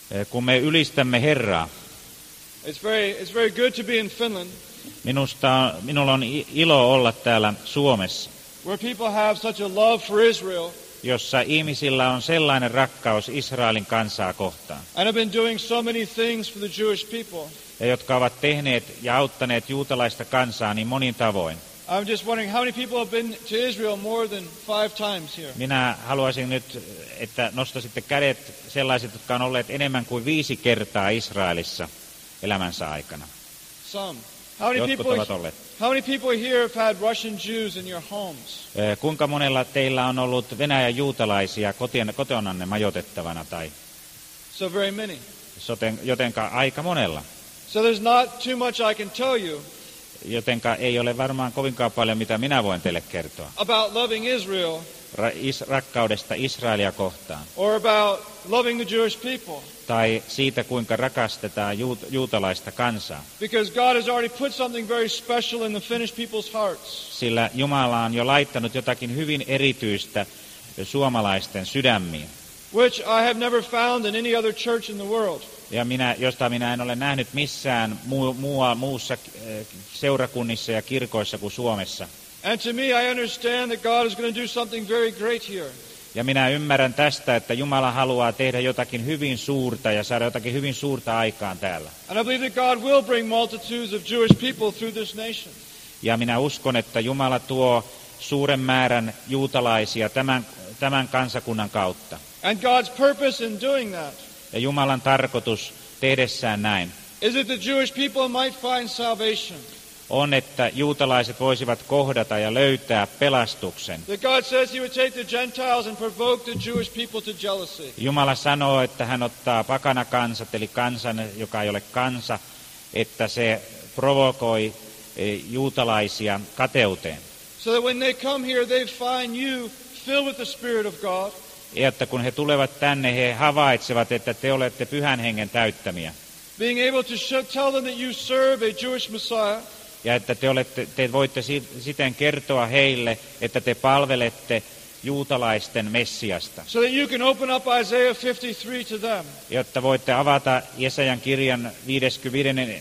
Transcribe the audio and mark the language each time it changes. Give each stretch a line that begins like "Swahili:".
Finnish: Kun me ylistämme Herraa.
English: It's very good to be in Finland.
Finnish: Minulla on ilo olla täällä Suomessa.
English: Where people have such a love for Israel.
Finnish: Jossa ihmisillä on sellainen rakkaus Israelin kansaa kohtaan.
English: And I've been doing so many things for the Jewish people.
Finnish: Ja jotka ovat tehneet ja auttaneet juutalaista kansaa niin monin tavoin.
English: I'm just wondering how many people have been to Israel more than 5 times here.
Finnish: Minä haluaisin nyt, että nostaisitte kädet sellaiset, jotka on olleet enemmän kuin 5 kertaa Israelissa elämänsä aikana.
English: Some. How many people here have had Russian Jews in your homes?
Finnish: Kuinka monella teillä on ollut Venäjän juutalaisia kotionanne majoitettavana tai?
English: So very many.
Finnish: Jotenka aika monella.
English: So there's not too much I can tell you.
Finnish: Jotenka ei ole varmaan kovinkaan paljon, mitä minä voin teille kertoa.
English: About loving Israel.
Finnish: Rakkaudesta Israelia kohtaan.
English: Or about loving the Jewish people.
Finnish: Tai siitä, kuinka rakastetaan juutalaista kansaa.
English: Because God has already put something very special in the Finnish people's hearts.
Finnish: Sillä Jumala on jo laittanut jotakin hyvin erityistä suomalaisten sydämiin.
English: Which I have never found in any other church in the world.
Finnish: Ja josta minä en ole nähnyt missään muussa seurakunnissa ja kirkoissa kuin Suomessa.
English: And to me, I understand that God is going to do something very great here.
Finnish: Ja minä ymmärrän tästä, että Jumala haluaa tehdä jotakin hyvin suurta ja saada jotakin hyvin suurta aikaan täällä.
English: And I believe that God will bring multitudes of Jewish people through this nation.
Finnish: Ja minä uskon, että Jumala tuo suuren määrän juutalaisia tämän kansakunnan kautta.
English: And God's purpose in doing that.
Finnish: Ja Jumalan tarkoitus tehdessään näin.
English: Is it the Jewish people might find salvation?
Finnish: On, että juutalaiset voisivat kohdata ja löytää pelastuksen.
English: That God says he would take the Gentiles and provoke the Jewish people to jealousy.
Finnish: Jumala sanoo, että hän ottaa pakanakansat, eli kansan, joka ei ole kansa, että se provokoi juutalaisia kateuteen.
English: So that when they come here, they find you filled with the Spirit of God.
Finnish: Ja että kun he tulevat tänne, he havaitsevat, että te olette Pyhän Hengen täyttämiä.
English: Being able to tell them that you serve a Jewish Messiah.
Finnish: Ja että te voitte siten kertoa heille, että te palvelette juutalaisten Messiasta.
English: So that you can open up Isaiah 53 to them.
Finnish: Jotta voitte avata Jesajan kirjan 53.